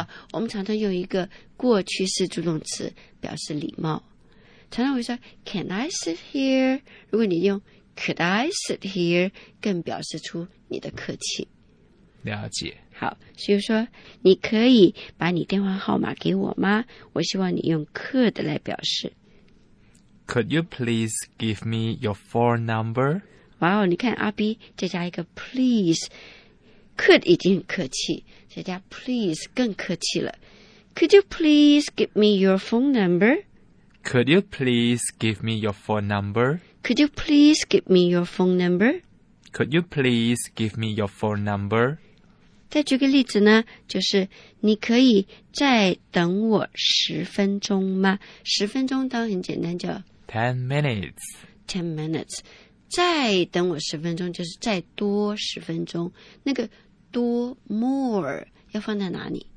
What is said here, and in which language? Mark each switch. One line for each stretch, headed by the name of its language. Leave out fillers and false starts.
Chinese: 我们常常用一个过去式助动词表示礼貌。常常会说
English: Can I sit here?
Chinese: 如果你用
English: Could I sit here?
Chinese: 更表示出你的客气。了解。好，所以说你可以把你电话号码给我吗？我希望你用 could 来表示。
English: Could you please give me your phone number?
Chinese: 哇哦，你看阿 B 再加一个 please， could 已经很客气，再加 please 更客气了。
English: Could you please give me your phone number? Could you please give me your phone number? Could you please give me your phone number? Could you please give me your phone number?
Chinese: 再举个例子呢，就是你可以再等我十分钟吗？十分钟当然很简单，叫
English: Ten minutes. Ten minutes.
Chinese: 再等我十分钟就是再多十分钟。那个多 more 要放在哪里？